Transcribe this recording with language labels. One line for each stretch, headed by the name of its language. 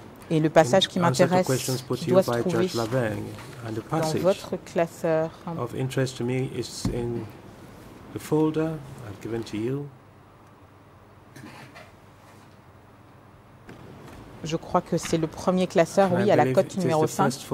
French: Et le passage qui m'intéresse, qui doit se trouver dans votre classeur.
English: Of interest to me is in the folder I've given to you.
French: Je crois que c'est le premier classeur, oui, à la cote numéro 5.